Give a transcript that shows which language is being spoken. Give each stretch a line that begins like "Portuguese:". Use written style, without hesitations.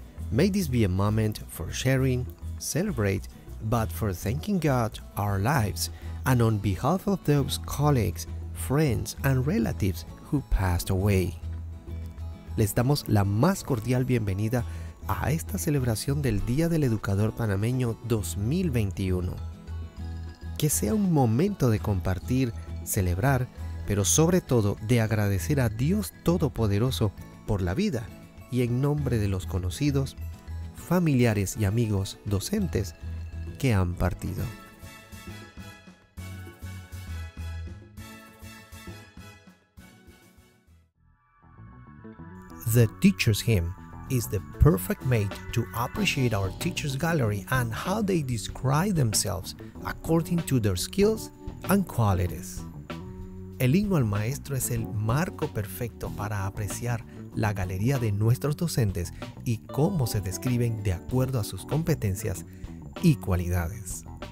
English: May this be a moment for sharing, celebrate, but for thanking God our lives and on behalf of those colleagues, friends and relatives who passed away.
Spanish: Les damos la más cordial bienvenida a esta celebración del Día del Educador Panameño 2021. Que sea un momento de compartir, celebrar, pero sobre todo de agradecer a Dios Todopoderoso por la vida y en nombre de los conocidos, familiares y amigos docentes que han partido.
English: The Teacher's Hymn is the perfect mate to appreciate our teachers' gallery and how they describe themselves according to their skills and qualities.
Spanish: El himno al maestro es el marco perfecto para apreciar la galería de nuestros docentes y cómo se describen de acuerdo a sus competencias y cualidades.